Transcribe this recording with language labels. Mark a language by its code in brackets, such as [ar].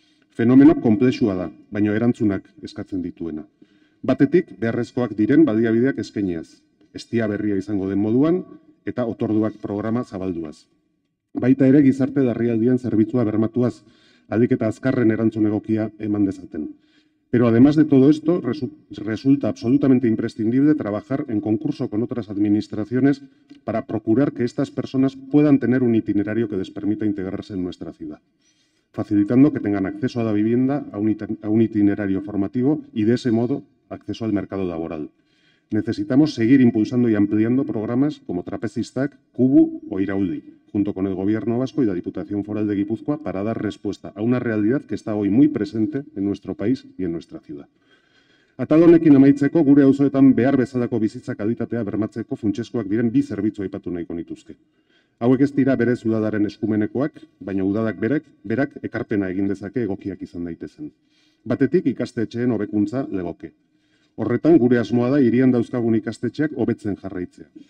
[eu] Fenomeno komplexua da, baina erantzunak eskatzen dituena. Batetik, beharrezkoak diren baliabideak eskeniaz, Estia berria izango den moduan eta otorduak programa zabalduaz. Baita ere gizarte larrialdien zerbitzua bermatuaz, alik eta azkarren erantzun egokia eman dezaten. [es] Pero además de todo esto, resulta absolutamente imprescindible trabajar en concurso con otras administraciones para procurar que estas personas puedan tener un itinerario que les permita integrarse en nuestra ciudad, facilitando que tengan acceso a la vivienda, a un itinerario formativo y de ese modo acceso al mercado laboral. Necesitamos seguir impulsando y ampliando programas como Trapezistak, Kubu o Iraudi, junto con el Gobierno Vasco y la Diputación Foral de Guipúzcoa, para dar respuesta a una realidad que está hoy muy presente en nuestro país y en nuestra ciudad. [eu] Atal honekin amaitzeko, gure auzoetan behar bezalako bizitza kalitatea bermatzeko funtsezkoak diren bi zerbitzu aipatu nahiko nituzke. Hauek ez dira berez udalaren eskumenekoak, baina udalak berak ekarpena egin dezake egokiak izan daitezen. Batetik ikastetxeen hobekuntza legoke. Horretan, gure asmoa da hirian dauzkagun ikastetxeak hobetzen jarraitzea.